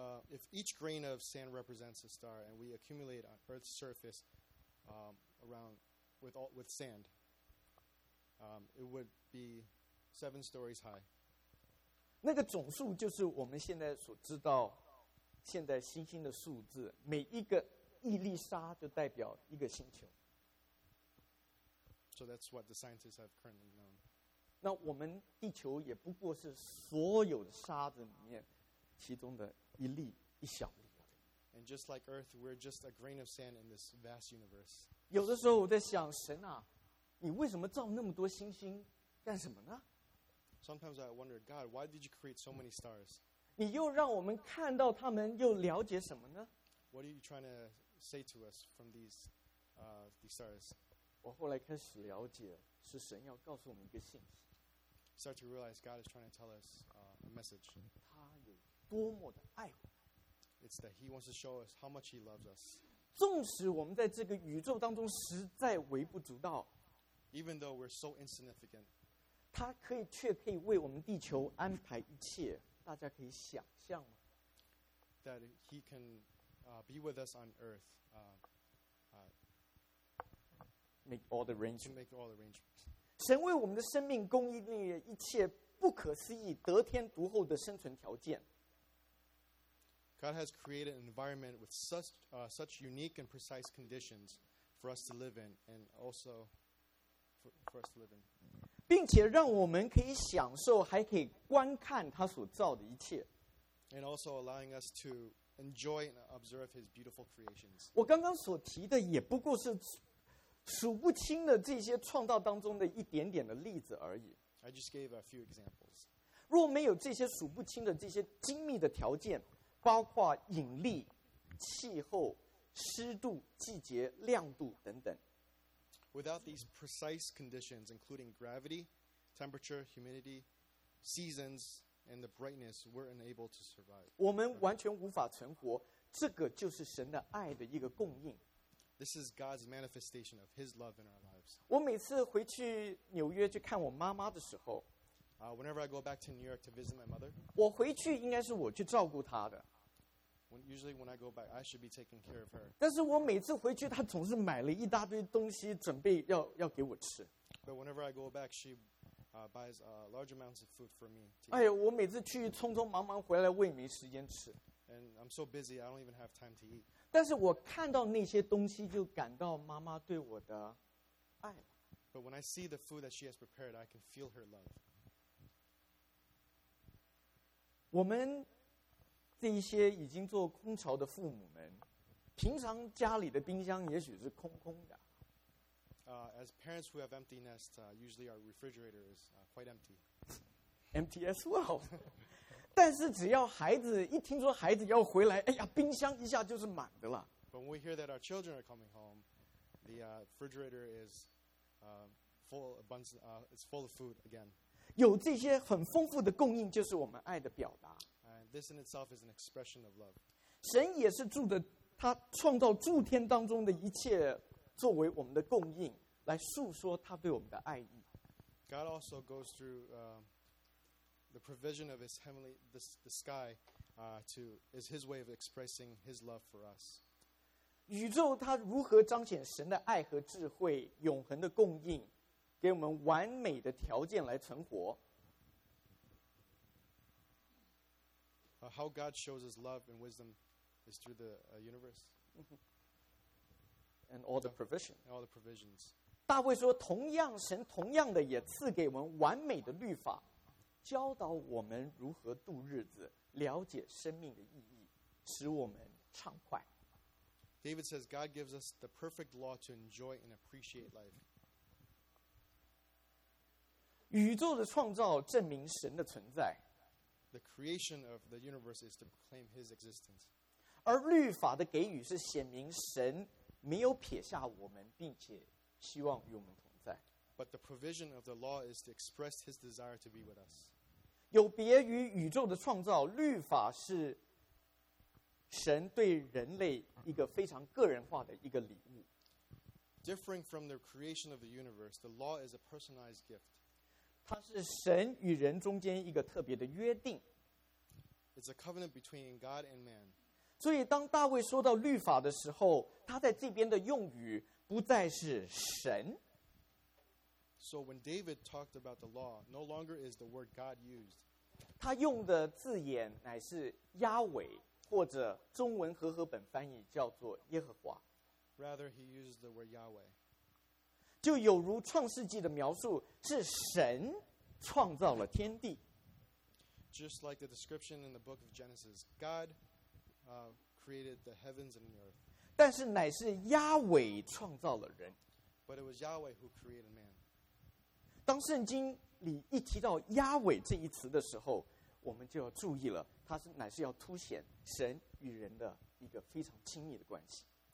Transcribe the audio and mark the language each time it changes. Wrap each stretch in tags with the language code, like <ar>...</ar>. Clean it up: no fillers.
<en>If each grain of sand represents a star, and we accumulate on Earth's surface, with sand, it would be 7 stories high.</en> <zh>那个总数就是我们现在所知道，现在星星的数字。每一个一粒沙就代表一个星球。</zh> <en>So that's what the scientists have currently known.</en> <zh>那我们地球也不过是所有的沙子里面其中的一粒一小粒。</zh> <en>And just like Earth, we're just a grain of sand in this vast universe.</en> <zh>有的时候我在想，神啊，你为什么造那么多星星，干什么呢？</zh> <en>Sometimes I wonder, God, why did you create so many stars?</en> <zh>你又让我们看到他们，又了解什么呢？</zh> <en>What are you trying to say to us from these stars?</en> <zh>我后来开始了解，是神要告诉我们一个信息。</zh> <en>Start to realize God is trying to tell us a message.</en> <zh>他有多么的爱我。</zh> <en>It's that he wants to show us how much he loves us.</en> <zh>纵使我们在这个宇宙当中实在微不足道，</zh> <en>even though we're so insignificant,</en> <zh>他可以却可以为我们地球安排一切，大家可以想象吗？</zh> <en>That he can be with us on Earth, make all the arrangements.</en> <zh>神为我们的生命供应了一切不可思议、得天独厚的生存条件。</zh> <en>God has created an environment with such unique and precise conditions for us to live in, and also for us to live in.</en> <zh>并且让我们可以享受，还可以观看他所造的一切。</zh> <en>And also allowing us to enjoy and observe His beautiful creations.</en> <zh>我刚刚所提的也不过是数不清的这些创造当中的一点点的例子而已。</zh> <en>I just gave a few examples.</en> <zh>若没有这些数不清的这些精密的条件，包括引力、气候、湿度、季节、亮度等等。</zh> <en>Without these precise conditions, including gravity, temperature, humidity, seasons, and the brightness, we're unable to survive.</en> <zh>我们完全无法存活。这个就是神的爱的一个供应。</zh> <en>This is God's manifestation of His love in our lives.</en> <zh>我每次回去纽约去看我妈妈的时候。</zh> <en>Whenever I go back to New York to visit my mother,</en> <zh>我回去应该是我去照顾她的。</zh> <en>Usually when I go back, I should be taking care of her.</en> <zh>但是我每次回去，她总是买了一大堆东西，准备要给我吃。</zh> <en>But whenever I go back, she buys large amounts of food for me.</en> <zh>哎呀，我每次去匆匆忙忙回来，我也没时间吃。</zh> <en>And I'm so busy, I don't even have time to eat.</en> <zh>但是我看到那些东西，就感到妈妈对我的爱。</zh> <en>But when I see the food that she has prepared, I can feel her love.</en> <zh>我们这一些已经做空巢的父母们，平常家里的冰箱也许是空空的。</zh> <en>As parents who have empty nests, usually our refrigerator is quite empty. Empty as well.</en> <zh>但是只要孩子一听说孩子要回来，哎呀，冰箱一下就是满的了。</zh> <en>But when we hear that our children are coming home, the refrigerator is it's full of food again.</en> <zh>有这些很丰富的供应，就是我们爱的表达。</zh> <en>This in itself is an expression of love.</en> <zh>神也是住的，他创造诸天当中的一切，作为我们的供应，来述说他对我们的爱意。</zh> <en>God also goes through the provision of His heavenly the sky, to is His way of expressing His love for us.</en> <zh>宇宙它如何彰显神的爱和智慧，永恒的供应，给我们完美的条件来存活。</zh> <en>How God shows His love and wisdom is through the universe. And all the provision. And all the provisions.</en> <zh>大卫说，同样神同样的也赐给我们完美的律法，教导我们如何度日子，了解生命的意义，使我们畅快。</zh> <en>David says God gives us the perfect law to enjoy and appreciate life.</en> <zh>宇宙的创造证明神的存在。</zh> <en>The creation of the universe is to proclaim His existence.</en> <zh>而律法的给予是显明神没有撇下我们，并且希望与我们同在。</zh> <en>But the provision of the law is to express His desire to be with us.</en> <zh>有别于宇宙的创造，律法是神对人类一个非常个人化的一个礼物。</zh> <en>Differing from the creation of the universe, the law is a personalized gift.</en> <zh>它是神与人中间一个特别的约定。</zh> <en>It's a covenant between God and man.</en> <zh>所以当大卫说到律法的时候，他在这边的用语不再是神。</zh> <en>So when David talked about the law, no longer is the word God used.</en> <zh>他用的字眼乃是亚伟，或者中文和合本翻译叫做耶和华。</zh> <en>Rather, he uses the word Yahweh.</en> <zh>就有如创世纪的描述，是神创造了天地。</zh> <en>Just like the description in the book of Genesis, God created the heavens and the earth.</en> <zh>但是乃是亚伟创造了人。</zh> <en>But it was Yahweh who created man.</en> <zh>当圣经里一提到亚伟这一词的时候，我们就要注意了，它是乃是要凸显神与人的一个非常亲密的关系。</zh>